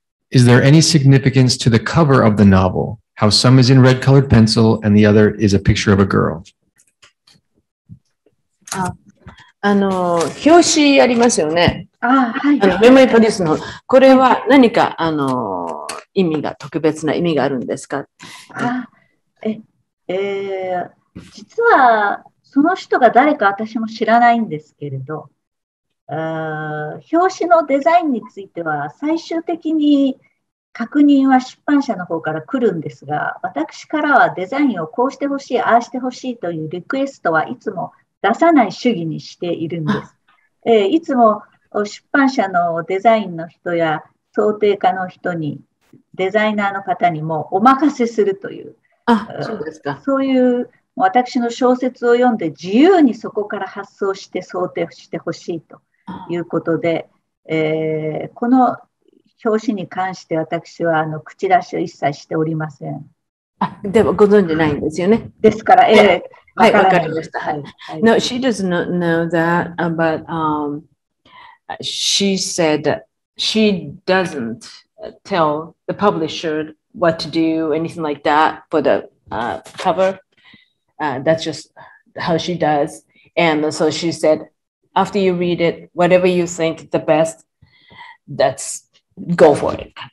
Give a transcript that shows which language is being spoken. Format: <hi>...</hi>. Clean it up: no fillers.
<en>Is there any significance to the cover of the novel? How some is in red colored pencil and the other is a picture of a girl?</en> <ja>あの表紙ありますよね。あ、はい。メモリーポリスの、これは何かあの意味が、特別な意味があるんですか？実はその人が誰か私も知らないんですけれど、表紙のデザインについては最終的に確認は出版社の方から来るんですが、私からはデザインをこうしてほしい、ああしてほしいというリクエストはいつも出さない主義にしているんです。いつも出版社のデザインの人や想定家の人に、デザイナーの方にもお任せするという、あ、そうですか。そういう私の小説を読んで自由にそこから発想して想定してほしいということで、この表紙に関して私はあの口出しを一切しておりません。あ、でもご存じないんですよね。ですから、はい、わかりました、はい、</ja> <en>No, she does not know that, but、she said she doesn't tell the publisher what to do, anything like that for the、cover、that's just how she does, and so she said after you read it, whatever you think the best, that'sGo for it.</en>